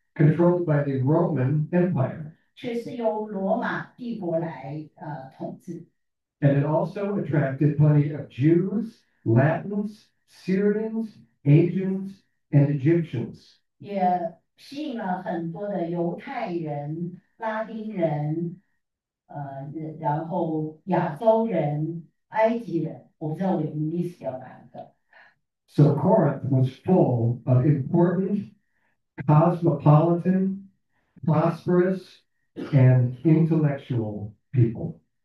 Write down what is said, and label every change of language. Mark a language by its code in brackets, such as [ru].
[en] controlled by the Roman Empire. [zh] 却是由罗马帝国来统治。 [en] And it also attracted plenty of Jews, Latins, Syrians, Asians, and Egyptians. [zh] 也吸引了很多的犹太人、拉丁人。然后亚洲人、埃及人，我不知道我有没有miss掉哪一个。 [en] So Corinth was full of important, cosmopolitan, prosperous, and intellectual people.